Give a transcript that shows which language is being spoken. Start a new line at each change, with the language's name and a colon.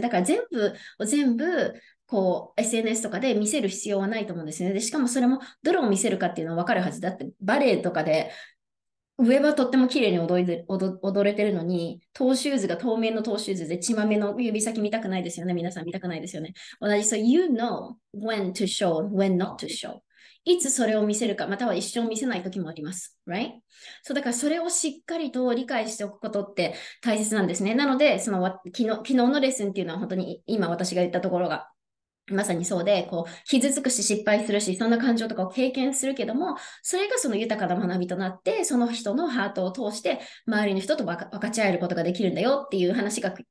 Japanese: だから全部を全部、こう、SNS とかで見せる必要はないと思うんですね。で、しかもそれもどれを見せるかっていうのはわかるはず。だってバレエとかで、上はとっても綺麗に踊れてるのに、トーシューズが透明のトーシューズで、血まめの指先見たくないですよね。皆さん見たくないですよね。同じ。
English: So you know when to show, when not to show.
Japanese: いつそれを見せるか、または一生見せない時もあります。
English: Right?
Japanese: そう、だからそれをしっかりと理解しておくことって大切なんですね。なので、昨日のレッスンっていうのは本当に今私が言ったところが、まさにそうで、こう、傷つくし、失敗するし、そんな感情とかを経験するけども、それがその豊かな学びとなって、その人のハートを通して、周りの人と分かち合えることができるんだよっていう話が、ね、